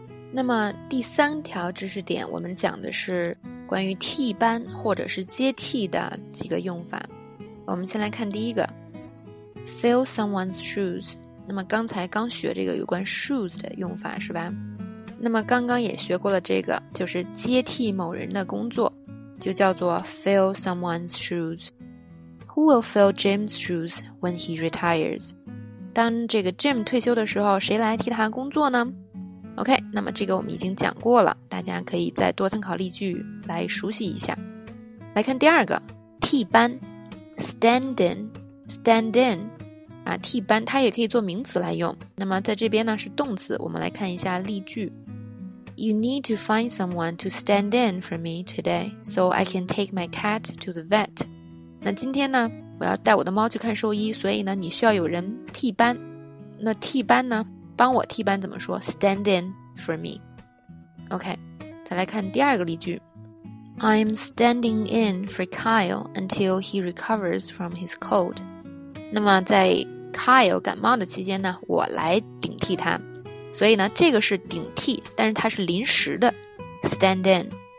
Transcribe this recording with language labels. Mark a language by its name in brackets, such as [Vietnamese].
[Chinese] 那么第三条知识点，我们讲的是关于替班或者是接替的几个用法。我们先来看第一个 ，fill someone's shoes。那么刚才刚学这个有关 shoes 的用法是吧？那么刚刚也学过了这个，就是接替某人的工作，就叫做 fill someone's shoes。 [English] Who will fill Jim's shoes when he retires? [Chinese] 当这个 Jim 退休的时候，谁来替他工作呢？OK， 那么这个我们已经讲过了，大家可以再多参考例句来熟悉一下。来看第二个，替班 ,stand in, 啊，替班它也可以做名词来用。那么在这边呢是动词，我们来看一下例句。 [English] You need to find someone to stand in for me today, so I can take my cat to the vet. [Chinese] 那今天呢我要带我的猫去看兽医，所以呢你需要有人替班。那替班呢，帮我替班怎么说？ [English] Stand in for me。 [Chinese] OK， 再来看第二个例句。 [English] I'm standing in for Kyle until he recovers from his cold。 [Chinese] 那么在 Kyle 感冒的期间呢，我来顶替他，所以呢这个是顶替，但是它是临时的 Stand in。